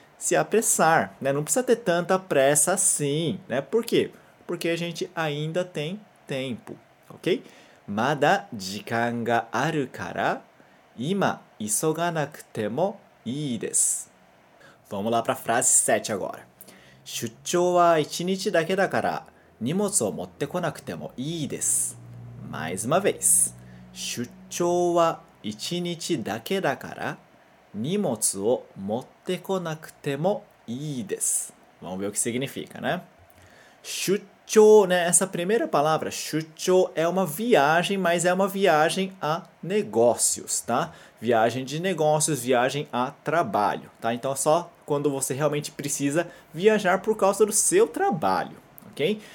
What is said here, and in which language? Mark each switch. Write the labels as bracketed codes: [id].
[pt] Se apressar, né? Não precisa ter tanta pressa assim, né? Por quê? Porque a gente ainda tem tempo, ok? [ja] Mada jikan ga aru kara, ima isoganakutemo ires. [pt] Vamos lá para a frase 7 agora. [ja] 出張は一日だけだから荷物を持ってこなくてもいいです。 [pt] Mais uma vez。 [ja] 出張は一日だけだから荷物を持ってこなくてもいいです。 [pt] Vamos ver o que significa, né? 出張ね、essa primeira palavra, 出張 é uma viagem, mas é uma viagem a negócios, tá? Viagem de negócios, viagem a trabalho, tá? Então é só quando você realmente precisa viajar por causa do seu trabalho, ok?